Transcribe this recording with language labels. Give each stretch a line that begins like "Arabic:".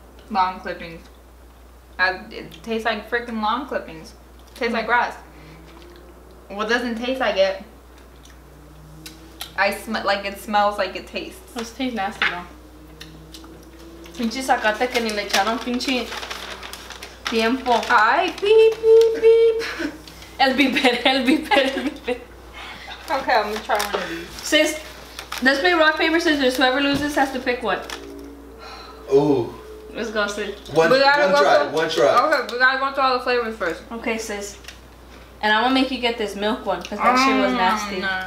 English: Lawn clippings. It tastes like freaking lawn clippings. Tastes like grass. What doesn't taste like it? It smells like it tastes. It tastes nasty though.
Spanish: Pinche sacate que ni le echaron pinche tiempo. Ay, beep, beep, beep. El beeper.
English: Okay, I'm gonna try one of these. Sis, let's play rock, paper, scissors. Whoever loses has to pick one. Ooh. Let's go, sis. One try. Okay, we gotta go through all the flavors first. Okay, sis. And I'm gonna make you get this milk one, because that shit was nasty.